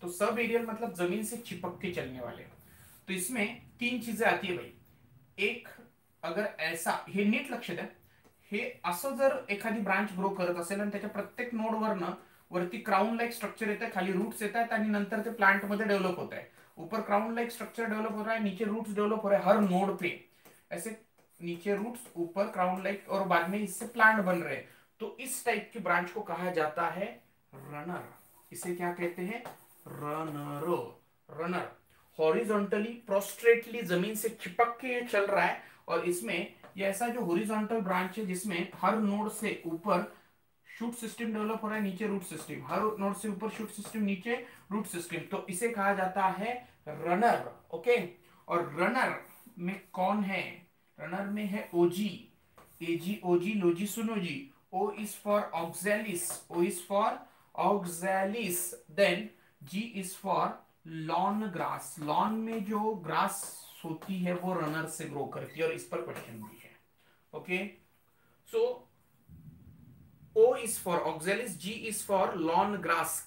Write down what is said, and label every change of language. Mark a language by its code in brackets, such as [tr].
[hi] तो sub aerial मतलब जमीन से चिपक के चलने वाले। तो इसमें तीन चीजें आती है भाई, एक अगर ऐसा, [mr] हे नीट लक्ष द्या, हे असं जर एखादी ब्रांच ग्रो करत असेल आणि त्याच्या प्रत्येक नोड वरनं वरती क्राउन लाइक स्ट्रक्चर येतं, खाली रूट्स येतात आणि नंतर ते प्लांट मध्ये डेव्हलप होत आहे। [hi] ऊपर क्राउन लाइक स्ट्रक्चर डेवलप हो रहा है, नीचे रूट्स डेवलप हो रहा है हर नोड पे, ऐसे नीचे रूट्स ऊपर क्राउन लाइक, और बाद में इससे प्लांट बन रहे हैं। तो इस टाइप की ब्रांच को कहा जाता है रनर। इसे क्या कहते हैं, रनर। रनर हॉरिजॉन्टली प्रोस्ट्रेटली जमीन से चिपक के ये चल रहा है, और इसमें ये ऐसा जो हॉरिजॉन्टल ब्रांच है जिसमें हर नोड से ऊपर शूट सिस्टम डेवलप हो रहा है, नीचे रूट सिस्टम, हर नोड से ऊपर शूट सिस्टम, नीचे रूट सिस्टम, तो इसे कहा जाता है रनर, ओके। और रनर में कौन है, रनर में है ओजी, एजी, ओजी, लोजी, सुनोजी। [en] O is for oxalis, O is for oxalis. Then G is for lawn grass, [hi] lawn में जो ग्रास होती है वो रनर से ग्रो करती है, और इस पर क्वेश्चन भी है, okay. [en] So O is for oxalis, G is for lawn grass.